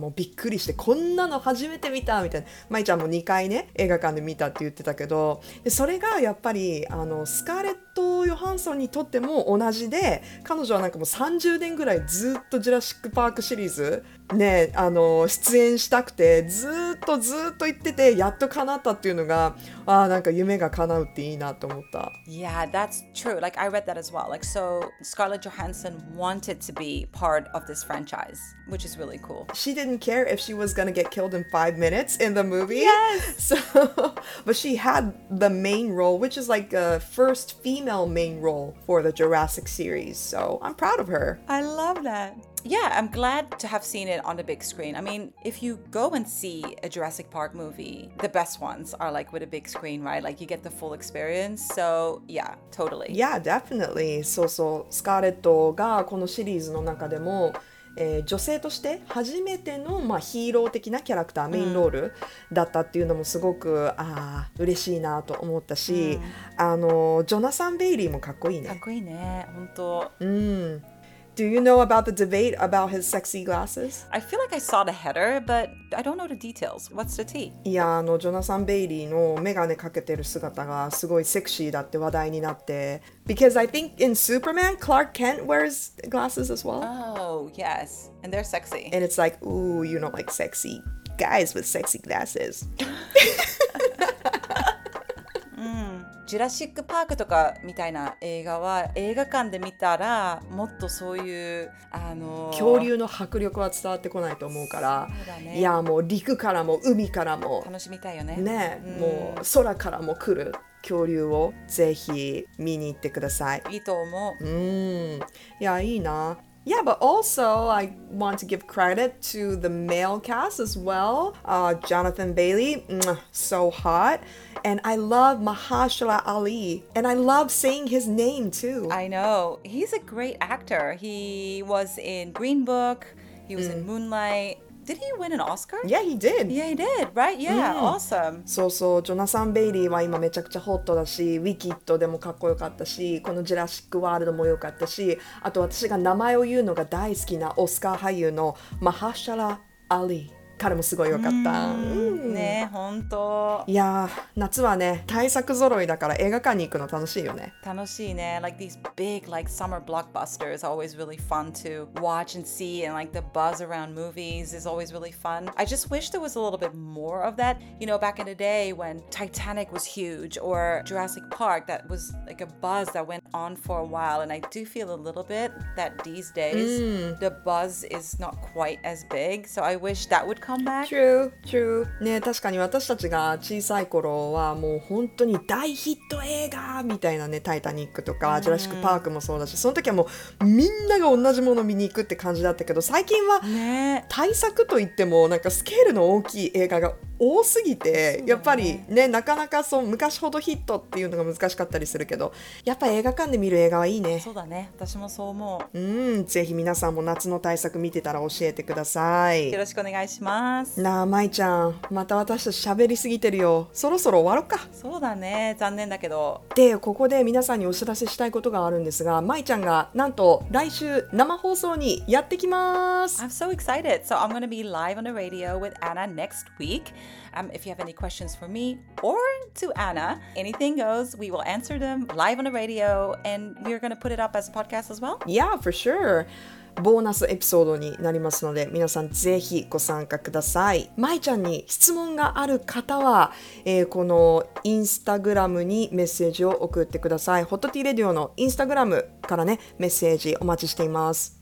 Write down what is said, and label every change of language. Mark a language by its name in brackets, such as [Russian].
[Japanese] もうびっくりして、こんなの初めて見たみたいな。舞ちゃんも2回ね、映画館で見たって言ってたけど、でそれがやっぱり、スカーレット・ヨハンソンにとっても同じで、彼女はなんかもう30年ぐらいずっとジュラシックパークシリーズね、出演したくてずっとずっと言ってて、やっと叶ったっていうのが、ああなんか夢が叶うっていいなと思った。 [English] Yeah, that's true. Like, I read that as well. Like, so Scarlett Johansson wanted to be part of this franchise, which is really cool. She didn't care if she was gonna get killed in 5 minutes in the movie. Yes! So, but she had the main role, which is like a first female main role for the Jurassic series. So, I'm proud of her. I love that. yeah, I'm glad to have seen it on the big screen. I mean, if you go and see a Jurassic Park movie, the best ones are like with a big screen, right? Like you get the full experience. So yeah, totally. Yeah, definitely. [Japanese] So, so, スカーレットがこのシリーズの中でも、女性として初めての、まあ、ヒーロー的なキャラクター、mm. メインロールだったっていうのもすごく、嬉しいなと思ったし、mm. あのジョナサン・ベイリーもかっこいいね。かっこいいね、本当。うん。 [English] Do you know about the debate about his sexy glasses? I feel like I saw the header, but I don't know the details. What's the tea? [Japanese] いや、あのジョナサン・ベイリーのメガネかけてる姿がすごいセクシーだって話題になって。 [English] Because I think in Superman, Clark Kent wears glasses as well. Oh, yes. And they're sexy. And it's like, ooh, you don't like sexy guys with sexy glasses. [Japanese] ジュラシックパークとかみたいな映画は映画館で見たらもっとそういう、恐竜の迫力は伝わってこないと思うから、そうだね、いやもう陸からも海からも楽しみたいよね、ね、うん、もう空からも来る恐竜をぜひ見に行ってください。いいと思う、うん、いやいいな。 [English] Yeah, but also I want to give credit to the male cast as well. Jonathan Bailey, so hot. And I love Mahershala Ali. And I love saying his name too. I know. He's a great actor. He was in Green Book. He was in Moonlight. Did he win an Oscar? Yeah, he did. Yeah, he did. Right? Yeah,、awesome. [Japanese] そうそう、ジョナサン・ベイリーは今めちゃくちゃホットだし、ウィキッドでもかっこよかったし、このジュラシック・ワールドもよかったし、あと私が名前を言うのが大好きなオスカー俳優のマハシャラ・アリー。彼もすごいよかった。ね、本当。いや、夏はね、大作揃いだから映画館に行くの楽しいよね。楽しいね。 [English] Like these big, like summer blockbusters are always really fun to watch and see, and like the buzz around movies is always really fun. I just wish there was a little bit more of that. You know, back in the day when Titanic was huge or Jurassic Park, that was like a buzz that went on for a while. And I do feel a little bit that these days、the buzz is not quite as big. So I wish that would come back. True, true. [Japanese] ね、確かに私たちが小さい頃はもう本当に大ヒット映画みたいなね、タイタニックとかジュラシックパークもそうだし、その時はもうみんなが同じものを見に行くって感じだったけど、最近は大作といってもなんかスケールの大きい映画が多すぎて、やっぱりね、なかなかそう昔ほどヒットっていうのが難しかったりするけど、やっぱ映画館で見る映画はいいね。そうだね、私もそう思う。うん、ぜひ皆さんも夏の大作見てたら教えてください。よろしくお願いします。なあ、まいちゃん、また私たち喋りすぎてるよ。そろそろ終わろっか。そうだね、残念だけど。で、ここで皆さんにお知らせしたいことがあるんですが、まいちゃんがなんと来週生放送にやってきます。 [English] I'm so excited. So I'm gonna be live on the radio with Anna next week. If you have any questions for me or to Anna, anything goes. We will answer them live on the radio, and we're gonna put it up as a podcast as well. Yeah, for sure. [Japanese] ボーナスエピソードになりますので、皆さんぜひご参加ください。まいちゃんに質問がある方は、このインスタグラムにメッセージを送ってください。ホットティーレディオのインスタグラムからね、メッセージお待ちしています。